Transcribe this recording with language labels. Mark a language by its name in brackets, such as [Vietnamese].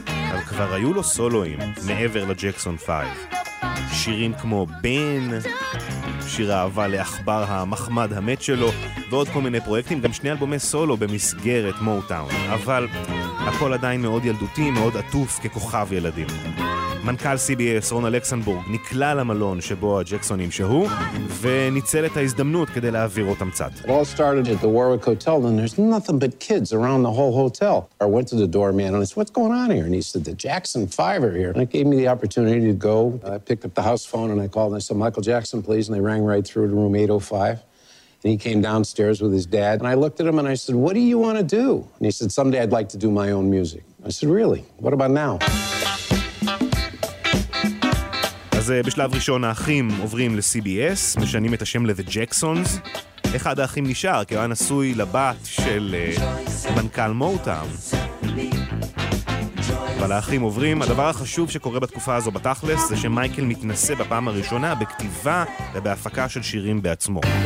[Hebrew] אבל כבר היו לו סולואים מעבר לג'קסון 5. שירים כמו בן, שיר אהבה לאכבר המחמד המת שלו, ועוד כל מיני פרויקטים, גם שני אלבומי סולו במסגרת מוטאון. אבל הכל עדיין מאוד ילדותי, מאוד עטוף ככוכב ילדים. מנכ״ל CBS רון אלכסנבורג נקלע למלון שבו הג'קסונים שהו, וניצל את ההזדמנות כדי להעביר אותם קצת. [English] It all started at the Warwick Hotel, and there's nothing but kids around the whole hotel. I went to the doorman and I said, what's going on here? And he said, the Jackson 5 are here. And it gave me the opportunity to go. I picked up the house phone and I called and I said, Michael Jackson, please. And they rang right through to room 805. And he came downstairs with his dad. And I looked at him and I said, what do you want to do? And he said, someday I'd like to do my own music. I said, really? What about now? [Hebrew] אז בשלב ראשון האחים עוברים ל-CBS, משנים את השם ל-The Jacksons. אחד האחים נשאר, כי הוא היה נשוי לבת של מנכ״ל מוטאון. אבל האחים עוברים. הדבר החשוב שקורה בתקופה הזו בתכלס, זה שמייקל מתנסה בפעם הראשונה בכתיבה ובהפקה של שירים בעצמו.